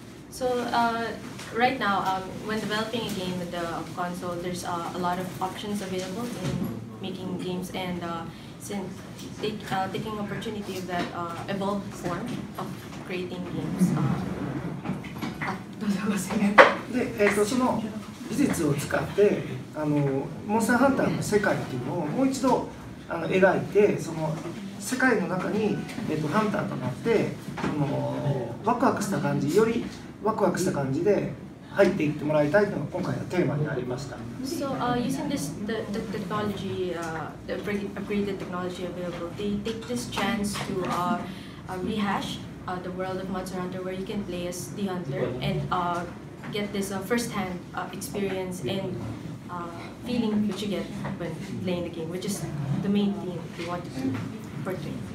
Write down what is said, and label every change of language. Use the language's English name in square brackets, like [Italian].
[English] So, right now, when developing a game with the console, there's a lot of options available in making games, and since taking opportunity of that evolved form of creating games. [Japanese] で、その技術を使って、モンスターハンターの世界っていうのをもう一度描いて、その世界の中に、ハンターとなって、そのワクワクした感じ、よりワクワクした感じで入っていってもらいたいというのが今回のテーマになりました。 [English] So, using this, the technology, the upgraded technology available, they take this chance to rehash the world of Monster Hunter, where you can play as the hunter and get this first-hand experience and feeling which you get when playing the game, which is the main theme they wanted to portray.